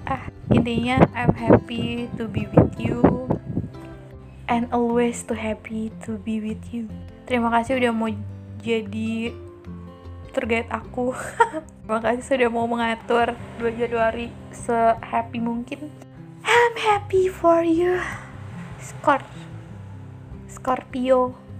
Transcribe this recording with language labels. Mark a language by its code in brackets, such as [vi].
[en] Ah, [id] intinya [en] I'm happy to be with you and always too happy to be with you. [id] Terima kasih udah mau jadi tour guide aku. Terima kasih sudah mau mengatur 2 Januari se-happy mungkin. [en] I'm happy for you, Scorpio-ku.